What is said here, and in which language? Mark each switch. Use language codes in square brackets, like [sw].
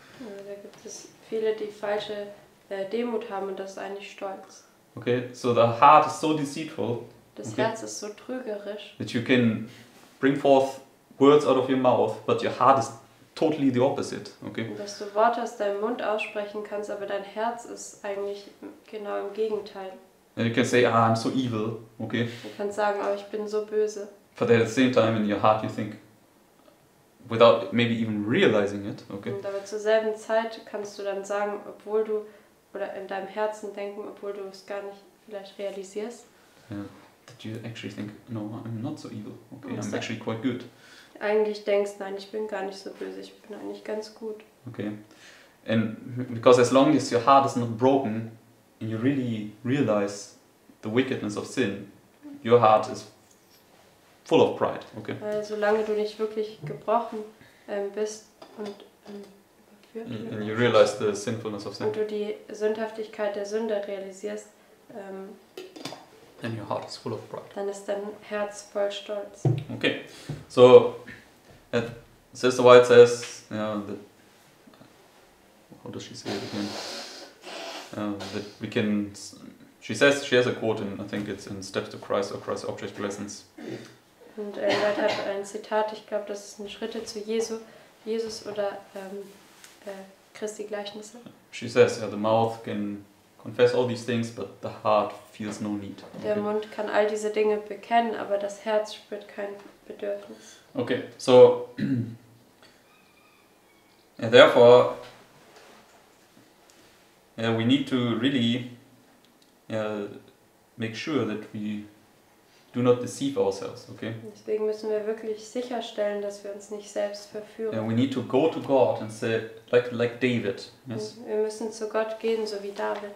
[de] Ja, da gibt es viele, die falsche Demut haben und das ist eigentlich Stolz. [en] Okay, so the heart is so deceitful. [de] Das Herz ist so trügerisch. [en] That you can bring forth words out of your mouth, but your heart is totally the opposite. Okay. [de] Dass du Worte aus deinem Mund aussprechen kannst, aber dein Herz ist eigentlich genau im Gegenteil. [en] And you can say, "Ah, I'm so evil." Okay. [de] Du kannst sagen, "Oh, ich bin so böse." [en] But at the same time, in your heart, you think, without maybe even realizing it. Okay. [de] Und aber zur selben Zeit kannst du dann sagen, obwohl du oder in deinem Herzen denken, obwohl du es gar nicht vielleicht realisierst. [en] Yeah. That you actually think, "No, I'm not so evil. Okay, I'm actually quite good." [de] Eigentlich denkst, nein, ich bin gar nicht so böse, ich bin eigentlich ganz gut. [en] Okay. And because as long as your heart is not broken and you really realize the wickedness of sin, your heart is full of pride. Okay. [de] Solange du nicht wirklich gebrochen bist und überführt wirst. [en] And you realize the sinfulness of sin. [de] Und du die Sündhaftigkeit der Sünde realisierst. [en] And your heart is full of pride. [de] Dann ist dein Herz voll Stolz. [en] Okay, so Sister White says, you know, that, how does she say it again? That we can. She says she has a quote, and I think it's in "Steps to Christ" or "Christ Object Lessons." [de] Und Ellen White hat ein Zitat. Ich glaube, das ist in "Schritte zu Jesus", Jesus oder Christi Gleichnisse. [en] She says, yeah, the mouth can confess all these things, but the heart feels no need. [de] Der Mund kann all diese Dinge bekennen, aber das Herz spürt kein Bedürfnis. [en] Okay, so and therefore we need to really make sure that we do not deceive ourselves, okay? [de] Deswegen müssen wir wirklich sicherstellen, dass wir uns nicht selbst verführen. [en] Yeah, we need to go to God and say, like David. Yes. [de] Wir müssen zu Gott gehen, so wie David.